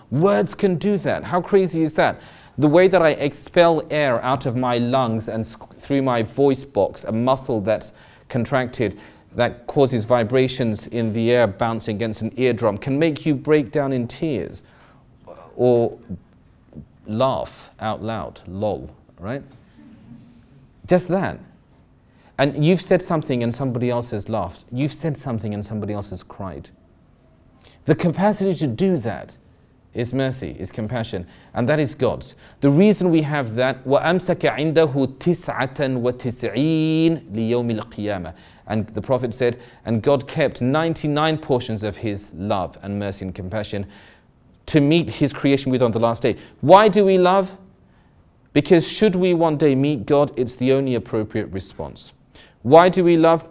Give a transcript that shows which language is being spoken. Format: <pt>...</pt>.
<en>Words can do that. How crazy is that? The way that I expel air out of my lungs and through my voice box, a muscle that's contracted, that causes vibrations in the air bouncing against an eardrum, can make you break down in tears or laugh out loud, lol, right? Just that. And you've said something and somebody else has laughed. You've said something and somebody else has cried. The capacity to do that is mercy, is compassion, and that is God's. The reason we have that,</en> <ar>وَأَمْسَكَ عِنْدَهُ تِسْعَةً وَتِسْعِينَ لِيَوْمِ الْقِيَامَةِ.</ar> <en>And the Prophet said, and God kept 99 portions of his love and mercy and compassion to meet his creation with on the last day. Why do we love? Because should we one day meet God, it's the only appropriate response. Why do we love?</en>